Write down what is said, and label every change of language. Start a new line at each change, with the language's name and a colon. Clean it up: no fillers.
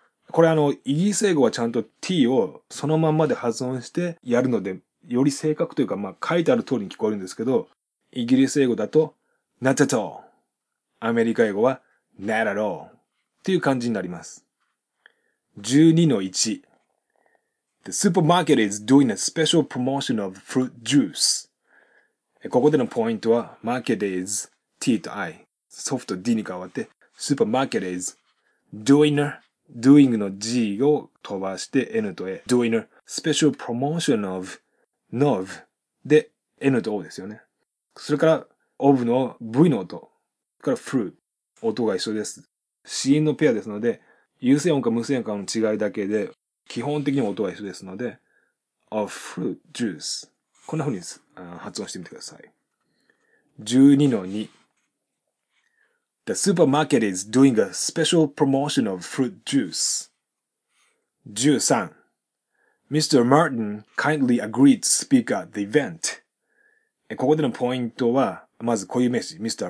Japanese: これあのイギリス英語はちゃんと t をそのまんまで発音してやるので、より正確というか、まあ書いてある通りに聞こえるんですけど、イギリス英語だと
English: not at all、
Japanese: アメリカ英語は
English: Not at all
Japanese: という感じになります。
English: 12-1 The supermarket is doing a special promotion of fruit juice。
Japanese: ここでのポイントは market is t と i、 soft d に変わって
English: supermarket is doing、
Japanese: doing の g を飛ばして n と a、
English: doing a special promotion of、
Japanese: of で n と o ですよね。それから of の v の音から fruit、音が一緒です。子音のペアですので、有声音か無声音かの違いだけで、基本的に音は一緒ですので、
English: of fruit juice。
Japanese: こんな風に発音してみてください。
English: 12-2 The supermarket is doing a special promotion of fruit juice. 13 Mr. Martin kindly agreed to speak at the event.
Japanese: ここでのポイントは、まず固有名詞、Mr.